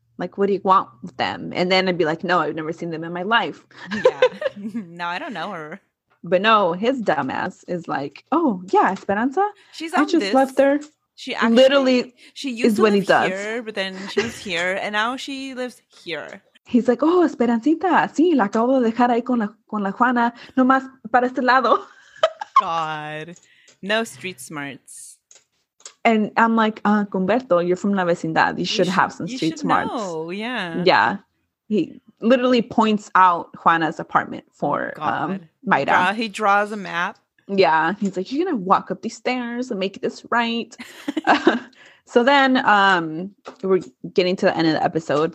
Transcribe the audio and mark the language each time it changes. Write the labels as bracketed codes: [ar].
[en] Like, what do you want with them? And then I'd be like, no, I've never seen them in my life. Yeah. No, I don't know her. But no, his dumbass is like, oh, yeah, Esperanza? She's on this. I just left her. She actually, literally, she used is to what live he here, does. But then she was here, and now she lives here. He's like, oh, [es] Esperancita, sí, la acabo de dejar ahí con la Juana, nomás para este lado. [en] God. No street smarts. And I'm like, Humberto, you're from La Vecindad. You should have some street smarts. Oh, yeah. Yeah. He literally points out Juana's apartment for Mayra. He draws a map. Yeah. He's like, you're going to walk up these stairs and make this right. So then we're getting to the end of the episode.